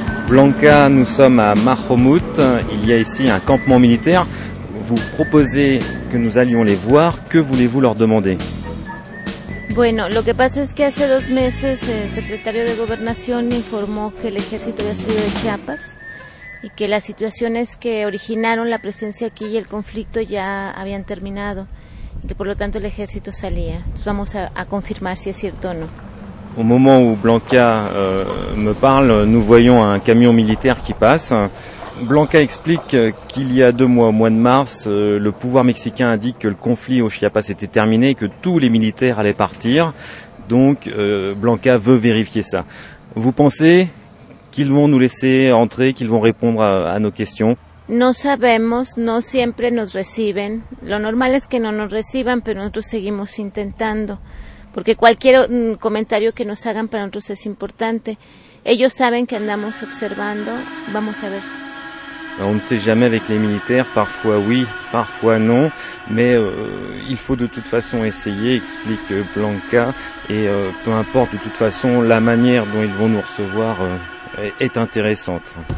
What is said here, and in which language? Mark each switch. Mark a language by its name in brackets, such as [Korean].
[French] Blanca, nous sommes à Mahomout, il y a ici un campement militaire. Vous proposez que nous allions les voir, que voulez-vous leur demander? [Spanish] Bueno, lo que pasa es que hace dos meses el secretario de Gobernación informó que el ejército había salido de Chiapas y que las situaciones que originaron la presencia aquí y el conflicto ya habían terminado y que por lo tanto el ejército salía. Entonces vamos a confirmar si es cierto o no. [French] Au moment où Blanca me parle, nous voyons un camion militaire qui passe. Blanca explique qu'il y a deux mois, au mois de mars, le pouvoir mexicain indique que le conflit au Chiapas était terminé et que tous les militaires allaient partir. Donc Blanca veut vérifier ça. Vous pensez qu'ils vont nous laisser entrer, qu'ils vont répondre à nos questions? [Spanish] No sabemos, no siempre nos reciben. Lo normal es que no nos reciban, pero nosotros seguimos intentando. Porque cualquier comentario que nos hagan para nosotros es importante. Ellos saben que andamos observando. Vamos a ver. [French] On ne sait jamais avec les militaires. Parfois oui, parfois non. Mais il faut de toute façon essayer, explique Blanca. Et peu importe, de toute façon, la manière dont ils vont nous recevoir est intéressante.